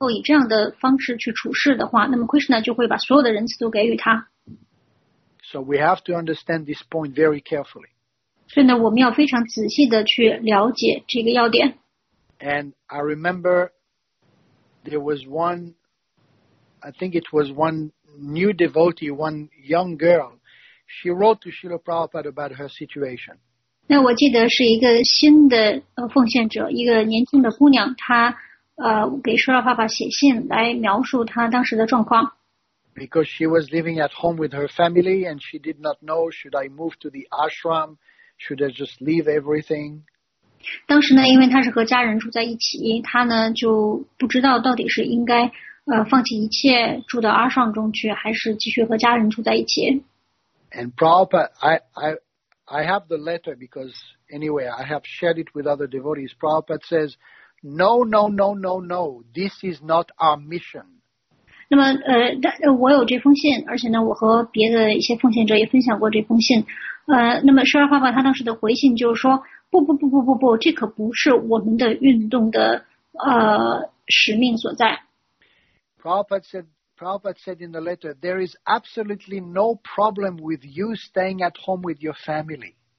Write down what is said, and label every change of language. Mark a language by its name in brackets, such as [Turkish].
[Chinese] 他说当一个人他能够以这样的方式去处事的话, 那么Krishna就会把所有的仁慈都给予他。 [English] So we have to understand this point very carefully. [Chinese] 所以呢我们要非常仔细地去了解这个要点。 [English] And I remember there was one, I think it was one new devotee, one young girl. She wrote to Srila Prabhupada about her situation. [Chinese] 那我记得是一个新的奉献者,一个年轻的姑娘, 她给舍拉爸爸写信来描述她当时的状况。 [English] Because she was living at home with her family and she did not know, should I move to the ashram? Should I just leave everything? [Chinese] 当时呢,因为她是和家人住在一起, 她呢就不知道到底是应该, 放弃一切, 住到ashram中去, 还是继续和家人住在一起。 [English] And Prabhupada, I have the letter because, anyway, I have shared it with other devotees. Prabhupada says, no, no, no, no, no, this is not our mission. [Chinese] 那么我有这封信, 而且呢我和别的一些奉献者也分享过这封信。那么Srila Prabhupada他当时的回信就是说, 不不不不不不, 这可不是我们的运动的使命所在。 [English] Prabhupada said in the letter, there is absolutely no problem with you staying at home with your family.